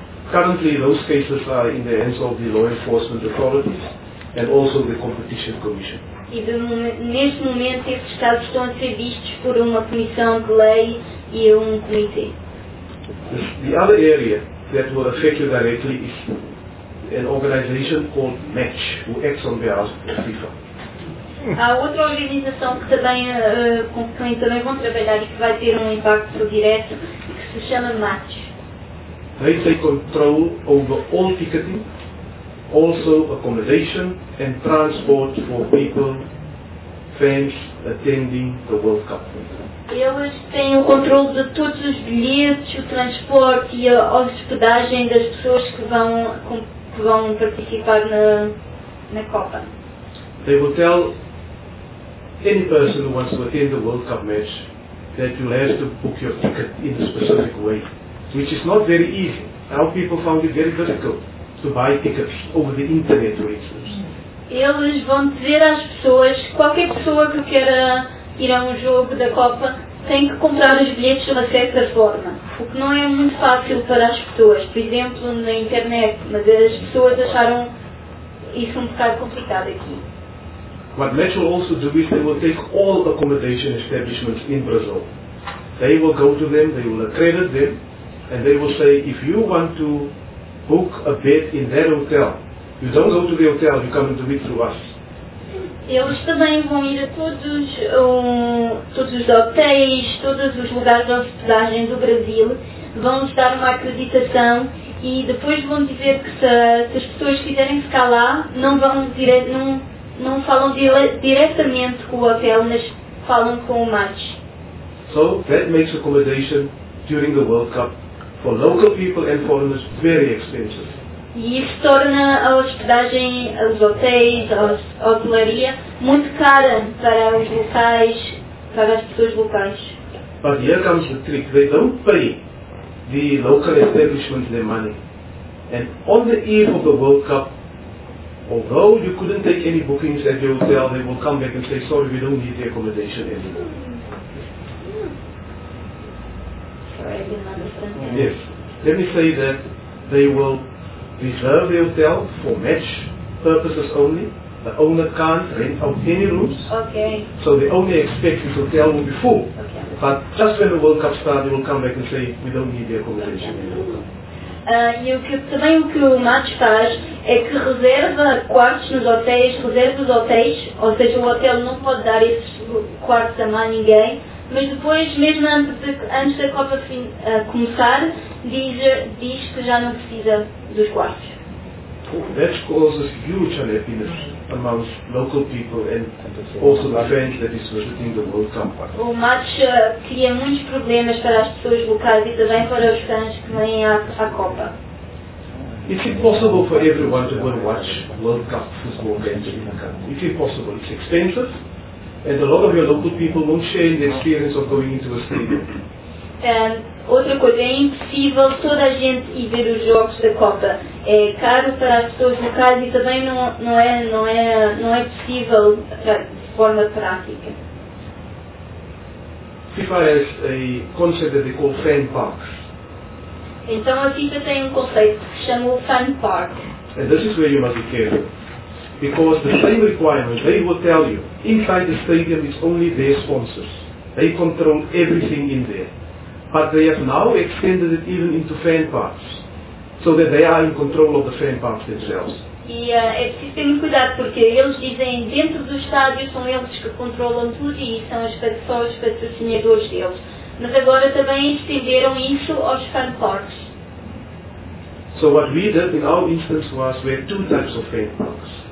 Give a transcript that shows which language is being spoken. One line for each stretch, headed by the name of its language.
English: Currently, those cases are in the hands of the law enforcement authorities and also the Competition Commission.
Portuguese: Neste momento, esses casos estão a ser vistos por uma comissão de lei e um comitê.
English: The other area that will affect you directly is an organization called MATCH, who acts on behalf of FIFA.
Portuguese: Há outra organização que também, com quem também vão trabalhar e que vai ter um impacto direto, que se chama MATCH.
English: They take control over all ticketing, also accommodation and transport for people, fans, attending the World Cup.
Portuguese: Eles têm o controle de todos os bilhetes, o transporte e a hospedagem das pessoas que vão participar na Copa.
English: They will tell any person who wants to attend the World Cup match that you have to book your ticket in a specific way, which is not very easy. Our people found it very difficult to buy tickets over the internet, for instance.
Portuguese: Eles vão dizer às pessoas, qualquer pessoa que queira ir a um jogo da Copa tem que comprar os bilhetes de uma certa forma, o que não é muito fácil para as pessoas, por exemplo, na internet, mas as pessoas acharam isso um bocado complicado aqui.
English: What MATCH will also do is they will take all accommodation establishments in Brazil. They will go to them, they will accredit them, and they will say, if you want to book a bed in that hotel, you don't go to the hotel, you come and do it through us.
Portuguese: Eles também vão ir a todos os hotéis, todos os lugares de hospedagem do Brasil, vão-lhes dar uma acreditação e depois vão dizer que se as pessoas quiserem ficar lá, não falam diretamente com o hotel, mas falam com o MATCH.
English: So that makes accommodation during the World Cup for local people and foreigners very expensive.
Portuguese: E isso torna a hospedagem, os hotéis, a hotelaria muito cara para as pessoas locais.
English: But here comes the trick. They don't pay the local establishment their money. And on the eve of the World Cup, although you couldn't take any bookings at the hotel, they will come back and say, sorry, we don't need the accommodation anymore. Sorry, I didn't understand. Yes. Let me say that they will reserve the hotel for MATCH purposes only. The owner can't rent out any rooms. Okay. So the only expect this hotel will be full. Okay. But just when the World Cup starts, they will come back and say, we don't need the accommodation anymore.
Portuguese: E o que o MATCH faz é que reserva quartos nos hotéis, reserva os hotéis, ou seja, o hotel não pode dar esses quartos a mais ninguém, mas depois, mesmo antes da Copa começar, diz que já não precisa dos quartos.
English: That causes huge unhappiness amongst local people and also the fans that is visiting the World Cup.
Portuguese: O match cria muitos problemas para as pessoas locais e também para os fãs que vêm à Copa.
English: It's impossible for everyone to go and watch World Cup football games in the country. It's impossible. It's expensive. And a lot of your local people won't share the experience of going into a stadium.
Portuguese: Outra coisa, é impossível toda a gente ir ver os jogos da Copa. É caro para as pessoas locais e também não é possível de forma prática.
English: FIFA has a concept that they call fan parks.
Portuguese: Então a FIFA tem um conceito que se chama o fan park.
English: And this is where you must be careful. Because the same requirements, they will tell you, inside the stadium is only their sponsors. They control everything in there. But they have now extended it even into fan parks, so that they are in control of the fan parks themselves.
Portuguese: E é preciso ter muito cuidado, porque eles dizem dentro do estádio são eles que controlam tudo e são os patrocinadores deles. Mas agora também estenderam isso aos fan parks.
English: So what we did in our instance was we had two types of fan parks.